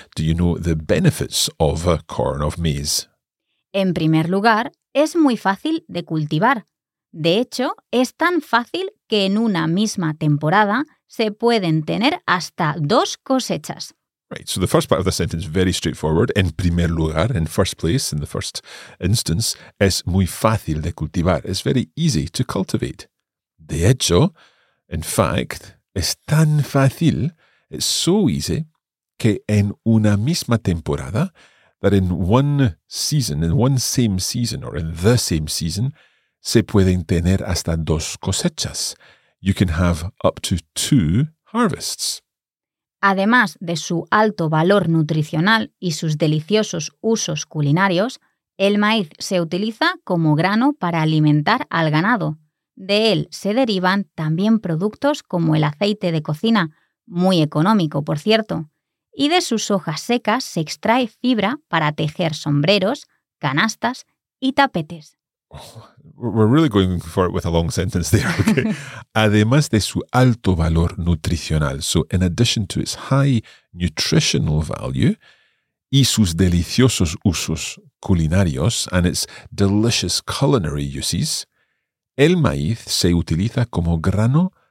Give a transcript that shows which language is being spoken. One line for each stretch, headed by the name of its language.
English: Do you know the benefits of corn, of maize?
Spanish: En primer lugar, es muy fácil de cultivar. De hecho, es tan fácil que en una misma temporada se pueden tener hasta dos cosechas.
English: Right, so the first part of the sentence, very straightforward.
Spanish: En primer lugar,
English: in first place, in the first instance,
Spanish: es muy fácil de cultivar.
English: It's very easy to cultivate.
Spanish: De hecho,
English: in fact,
Spanish: es tan fácil,
English: it's so easy,
Spanish: que en una misma temporada,
English: that in one season, in one same season, or in the same season,
Spanish: se pueden tener hasta dos cosechas.
English: You can have up to two harvests.
Spanish: Además de su alto valor nutricional y sus deliciosos usos culinarios, el maíz se utiliza como grano para alimentar al ganado. De él se derivan también productos como el aceite de cocina, muy económico, por cierto. Y de sus hojas secas se extrae fibra para tejer sombreros, canastas y tapetes.
English: We're really going for it with a long sentence there.
Spanish: Okay. Además de su alto valor nutricional,
English: so in addition to its high nutritional value,
Spanish: y sus deliciosos usos culinarios
English: and its delicious culinary uses,
Spanish: el maíz se utiliza como grano